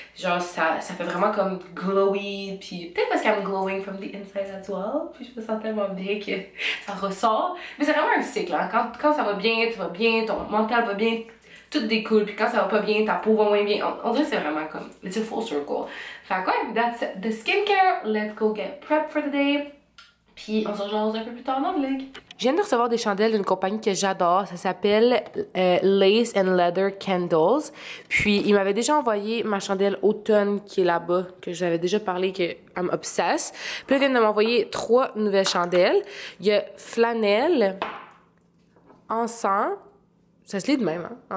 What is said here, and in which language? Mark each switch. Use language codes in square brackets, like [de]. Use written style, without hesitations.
[fr] Genre, ça fait vraiment comme glowy, puis peut-être parce qu' [en] I'm glowing from the inside as well, [fr] puis je me sens tellement bien que ça ressort. Mais c'est vraiment un cycle, hein? Quand ça va bien, tu vas bien, ton mental va bien, tout découle, puis quand ça va pas bien, ta peau va moins bien. On dirait que c'est vraiment comme, [en] it's a full circle. [fr] Fait que ouais, [en] that's the skincare, let's go get prep for the day. [fr] Puis on se rejoint un peu plus tard dans le vlog. Je viens de recevoir des chandelles d'une compagnie que j'adore. Ça s'appelle Lace and Leather Candles. Puis, il m'avait déjà envoyé ma chandelle automne qui est là-bas, que j'avais déjà parlé, que [en] I'm obsessed. [fr] Puis, il vient de m'envoyer 3 nouvelles chandelles. Il y a flanelle, encens, ça se lit de même, hein?